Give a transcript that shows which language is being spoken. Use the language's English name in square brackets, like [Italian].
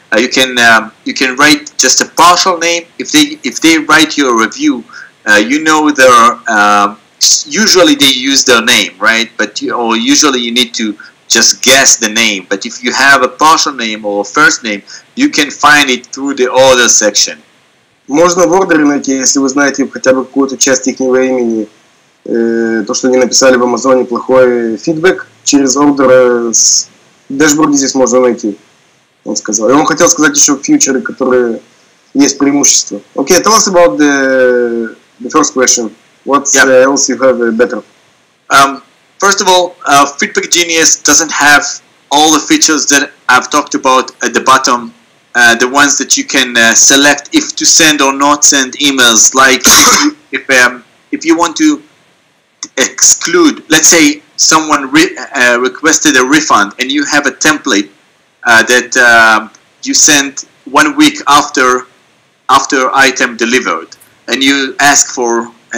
[English] You can write just a partial name. If they write your review, you know their. Usually they use their name, right? Usually you need to just guess the name. But if you have a partial name or first name, you can find it through the order section. [Russian] Можно в ордере найти, если вы знаете хотя бы какую-то часть их имени, то, что они написали в Амазоне плохой фидбэк, через ордер с дэшборда здесь можно найти, он сказал. И он хотел сказать еще фьючеры, которые есть преимущество. [English] Окей, tell us about the first question. What else you have better? First of all, Feedback Genius doesn't have all the features that I've talked about at the bottom. The ones that you can select if to send or not send emails, like if you want to exclude, let's say someone requested a refund and you have a template that you send 1 week after item delivered, and you ask for